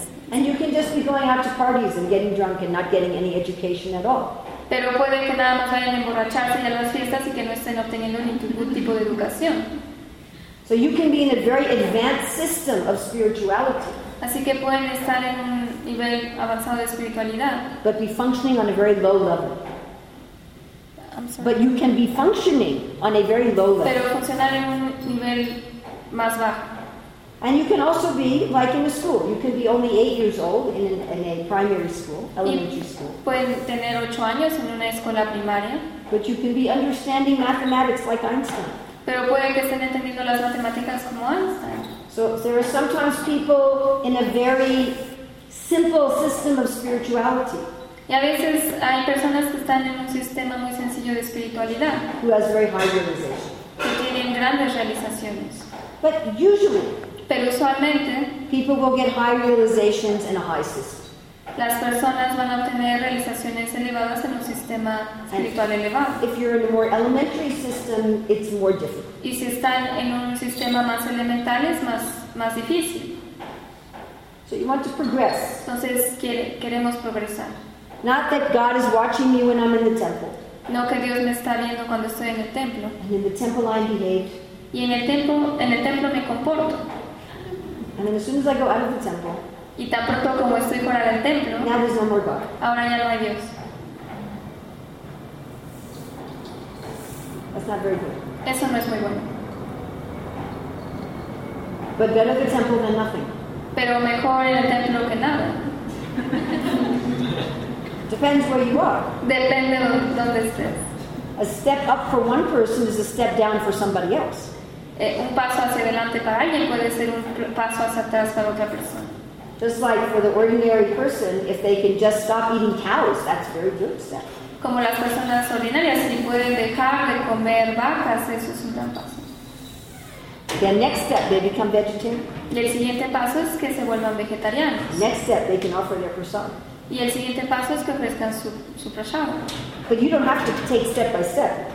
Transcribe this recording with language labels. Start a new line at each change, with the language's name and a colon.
English: And you can just be going out to parties and getting drunk and not getting any education at all.
Spanish: Pero puede que nada más vayan a emborracharse y a las fiestas y que no estén obteniendo ningún tipo de educación.
English: So you can be in a very advanced system of spirituality.
Spanish: Así que pueden estar en un nivel avanzado de espiritualidad.
English: But be functioning on a very low level. I'm sorry. But you can be functioning on a very low level.
Spanish: Pero funcionar en un nivel más bajo.
English: And you can also be like in a school. You can be only 8 years old in a primary school, elementary school.
Spanish: Pueden tener 8 años en una escuela primaria.
English: But you can be understanding mathematics like Einstein.
Spanish: Pero puede que estén entendiendo las matemáticas como Einstein.
English: So there are sometimes people in a very simple system of spirituality.
Spanish: Y a veces hay personas que están en un sistema muy sencillo de espiritualidad.
English: Who has very high realizations.
Spanish: Que tienen grandes realizaciones.
English: But usually.
Spanish: Pero usualmente.
English: People will get high realizations in a high system.
Spanish: Las personas van a obtener realizaciones elevadas en un sistema espiritual elevado.
English: If you're in a more elementary system, it's more difficult.
Spanish: Y si están en un sistema más elemental, es más difícil.
English: So you want to progress.
Spanish: Entonces queremos progresar.
English: Not that God is watching me when I'm in the temple.
Spanish: No que Dios me está viendo cuando estoy en el templo.
English: And in the temple I behave.
Spanish: Y en el templo me comporto.
English: And then as soon as I go out of the temple.
Spanish: Y tan pronto como estoy fuera del templo,
English: now there's no more God.
Spanish: Ahora ya no hay Dios.
English: That's not very good.
Spanish: Eso no es muy bueno.
English: But better the temple than nothing.
Spanish: Pero mejor el templo que nada.
English: Depends where you are.
Spanish: Depende de donde estés.
English: A step up for one person is a step down for somebody else.
Spanish: Un paso hacia adelante para alguien puede ser un paso hacia atrás para otra persona.
English: Just like for the ordinary person, if they can just stop eating cows, that's a very good step.
Spanish: Como las personas ordinarias, si pueden dejar de comer vacas, eso es un gran paso.
English: The next step, they become vegetarian.
Spanish: Y el siguiente paso es que se vuelvan vegetarianos.
English: Next step, they can offer their prasad.
Spanish: Y el siguiente paso es que ofrezcan su prasad.
English: But you don't have to take step by step.